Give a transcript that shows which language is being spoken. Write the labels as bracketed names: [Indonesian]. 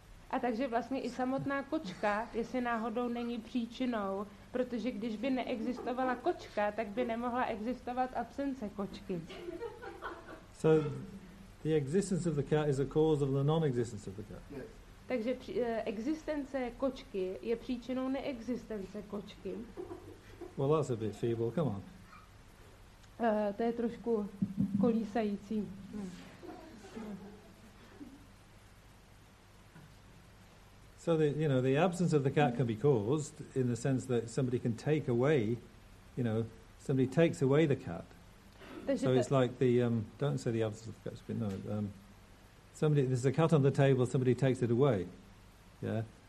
[Czech] A takže vlastně i samotná kočka, jestli náhodou není příčinou, protože když by neexistovala kočka, tak by nemohla existovat absence kočky. [English] So the existence of the cat is a cause of the non-existence of the cat. Yes. [Czech] Takže existence kočky je příčinou neexistence kočky. [English] Well, that's a bit feeble, come on. [Czech] To je trošku kolísající. [English] So the, you know, the absence of the cat can be caused in the sense that somebody can take away, you know, somebody takes away the cat. [Czech] Takže [English] so it's like the, don't say the absence of the cat, but no, somebody, there's a cat on the table, somebody takes it away. Yeah.